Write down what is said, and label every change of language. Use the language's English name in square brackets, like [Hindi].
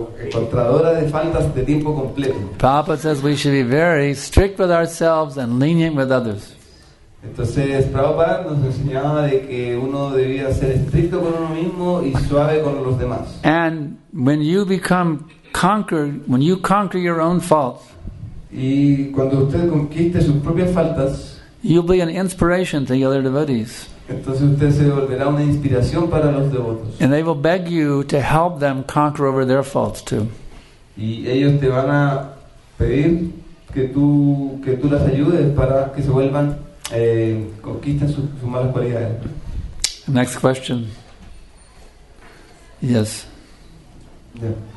[English] Papa says we should be very strict with ourselves and lenient with others. [Spanish] Entonces, Prabhupada nos enseñaba de que uno debía ser estricto con uno mismo y suave con los demás. [English] And when you become conquered, when you conquer your own faults, [Spanish] y cuando usted conquiste sus propias faltas, [English] you'll be an inspiration to the other devotees. [Spanish] Entonces usted se volverá una inspiración para los devotos. [English] And they will beg you to help them conquer over their faults too. [Spanish] Y ellos te van a pedir que tú las ayudes para que se vuelvan conquistan sus malas cualidades. [English] Next question. Yes. Yeah.